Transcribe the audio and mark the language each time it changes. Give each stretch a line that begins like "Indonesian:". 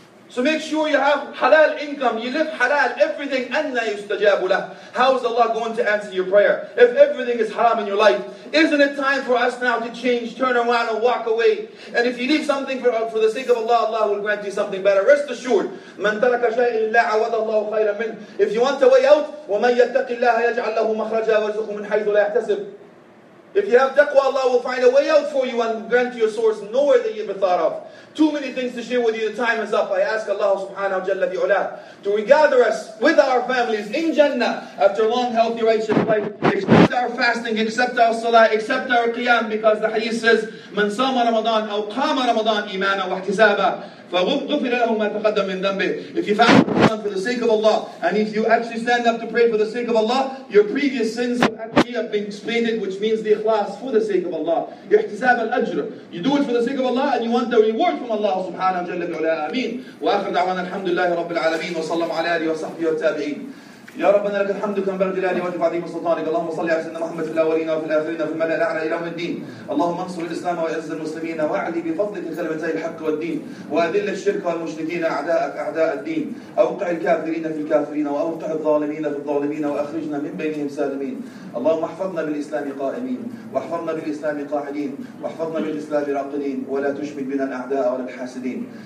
English: So make sure you have halal income, you live halal, everything,
Arabic: anna yustajabu lah.
English: How is Allah going to answer your prayer? If everything is haram in your life, isn't it time for us now to change, turn around and walk away? And if you leave something for the sake of Allah, Allah will grant you something better. Rest assured,
Arabic: man taraka shay'a lillahi awada Allahu khayran min.
English: If you want a way out,
Arabic: وَمَنْ يَتَّقِ اللَّهَ يَجْعَلْ لَهُ مَخْرَجًا وَرْزُقُ مِنْ حَيْثُ لَا يَحْتَسِبْ.
English: If you have taqwa, Allah will find a way out for you and grant you a source nowhere that you've ever thought of. Too many things to share with you. The time is up. I ask Allah subhanahu wa jalla bi'ula to regather us with our families in Jannah after long, healthy, righteous life. Accept our fasting, accept our salah, accept our qiyam, because the hadith says,
Arabic: man sama Ramadan aw qama Ramadan imana wa ihtisaba.
English: If you fast for the sake of Allah, and if you actually stand up to pray for the sake of Allah, your previous sins have been expiated, which means the ikhlas for the sake of Allah. Ihtisab al-ajr. You do it for the sake of Allah, and you want the reward from Allah subhanahu wa jalla bi'ula.
Arabic: Ameen. Wa akhir da'wana alhamdulillahi rabbil alameen. Wa sallam ala alihi wa sahbihi wa tabi'een. يا ربنا لك الحمد كما بلغ جلالي وجب عظيم سلطانك اللهم صل على سيدنا محمد في الاولين وفي الاخرين وفي الملا الاعلى الى يوم الدين اللهم انصر الاسلام واعز المسلمين واعلي بفضلك كلمتي الحق والدين واذل الشرك والمشركين اعداءك اعداء الدين اوقع الكافرين في الكافرين واوقع الظالمين في الظالمين واخرجنا من بينهم سالمين اللهم احفظنا بالاسلام قائمين واحفظنا بالاسلام قاعدين واحفظنا بالاسلام راقدين ولا تشمل بنا الاعداء ولا الحاسدين